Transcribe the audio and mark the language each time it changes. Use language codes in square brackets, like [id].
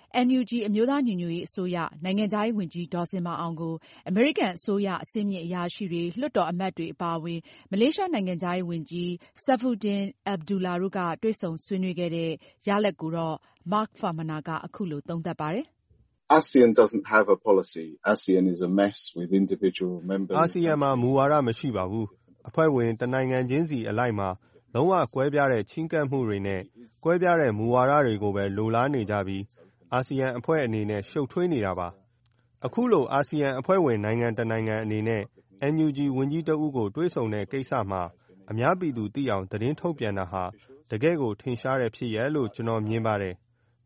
[my] NUG အမျိုးသားညီညွတ်ရေးအစိုးရနိုင်ငံသားရေးဝန်ကြီးဒေါ်စင်မအောင်ကိုအမေရိကန်အစိုးရအစိုးရအရာရှိတွေလွှတ်တော်အမတ်တွေအပါအဝင်မလေးရှားနိုင်ငံသားရေးဝန်ကြီးဆဖူဒင်အဗ်ဒူလာတို့ကတွေ့ဆုံဆွေးနွေးခဲ့တဲ့ရလဒ်ကိုတော့မတ်ဖာမနာကအခုလိုသုံးသပ်ပါတယ် [en] ASEAN doesn't have a policy. ASEAN is a mess with individual members. [my] ASEAN မှာမူဝါဒမရှိပါဘူး။အဖွဲ့ဝင်တနိုင်ငံချင်းစီအလိုက်မှာလုံးဝကွဲပြားတဲ့ချင်းကပ်မှုတွေနဲ့ကွဲပြားတဲ့မူဝါဒတွေကိုပဲလိုလားနေကြပြီး ASEAN အဖွဲ့အနေနဲ့ရှုပ်ထွေးနေတာပါ။အခုလို ASEAN အဖွဲ့ဝင်နိုင်ငံတနိုင်ငံအနေနဲ့ NUG ဝန်ကြီးတအုပ်ကိုတွေးဆတဲ့ကိစ္စမှာအများပြည်သူသိအောင်သတင်းထုတ်ပြန်တာဟာတကယ်ကိုထင်ရှားတဲ့ဖြစ်ရဲ့လို့ကျွန်တော်မြင်ပါတယ်။